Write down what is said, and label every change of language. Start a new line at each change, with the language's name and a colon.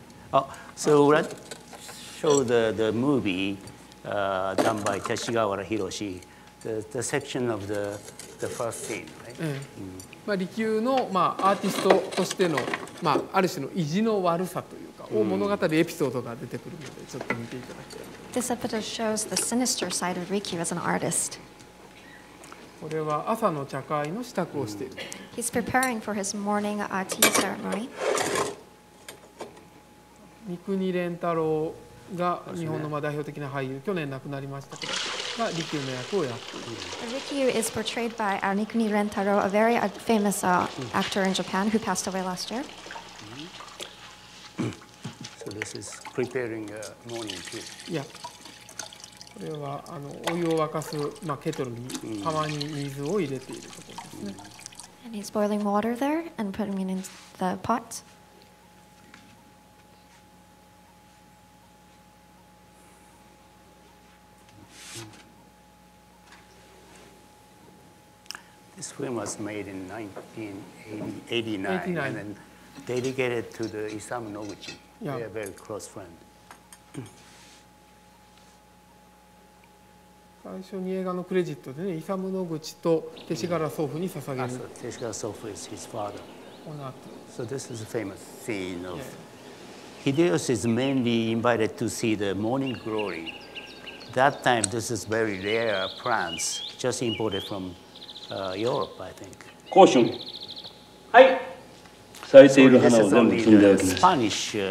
English: But so let's show the movie done by Teshigawara Hiroshi, the section of the first scene.
Japanese: まあ、利休の、まあ、アーティストとしての、まあ、ある種の意地の悪さというか、大物語エピソードが出てくるので、ちょっと見ていただきたい。
English: This episode shows the sinister side of Rikyu as an artist.
Japanese: これは朝の茶会の支度をしている。
English: He's preparing for his morning tea ceremony.
Japanese: 三國連太郎が日本の代表的な俳優、去年亡くなりましたけど。
English: Rikyu is portrayed by三國連太郎, a very famous actor in Japan who passed away last year. So this is preparing a morning tea. Yeah.
Japanese: これはお湯を沸かす、まあ、ケトルに釜に水を入れているところですね。
English: And he's boiling water there and putting it in the pot. This film was made in 1989 and dedicated to the Isamu Noguchi. They are very close friend.
Japanese: 最初に映画のクレジットでね、イサム・ノグチとテシガラ祖父に捧げる。
English: テシガラ祖父 is his father. So this is a famous scene of Hideyoshi is mainly invited to see the morning glory. that time, this is very rare plants, just imported from Europe, I think. Caution. Hi. So this is only the Spanish.